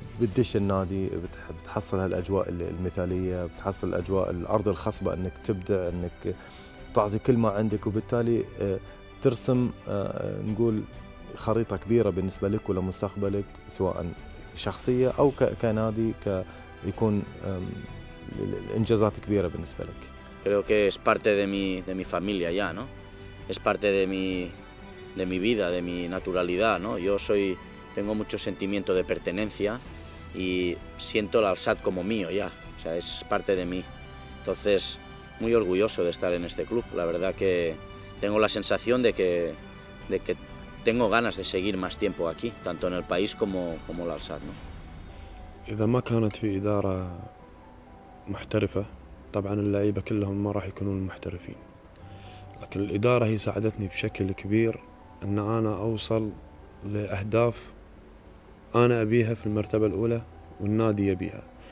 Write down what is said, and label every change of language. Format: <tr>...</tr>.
<ar>بتدش النادي بتحصل هالأجواء المثالية، بتحصل الأجواء الأرض الخصبة، أنك تبدع، أنك تعطي كل ما عندك، وبالتالي ترسم نقول خريطة كبيرة بالنسبة لك ولمستقبلك، سواء شخصية أو كنادي يكون الإنجازات كبيرة بالنسبة لك.</ar> <es>creo que es parte de mi familia ya no es parte de mi vida de mi naturalidad no yo soy tengo mucho sentimiento de pertenencia y siento el Al-Sadd como mío ya, o sea, es parte de mí. Entonces, muy orgulloso de estar en este club. La verdad que tengo la sensación de que tengo ganas de seguir más tiempo aquí, tanto en el país como el Al-Sadd, ¿no?</es> <ar>إذا ما كانت في إدارة محترفة، طبعاً اللعيبة كلهم ما راح يكونون محترفين. لكن الإدارة هي ساعدتني بشكل كبير أن أنا أوصل لأهداف أنا أبيها في المرتبة الأولى والنادي يبيها.</ar>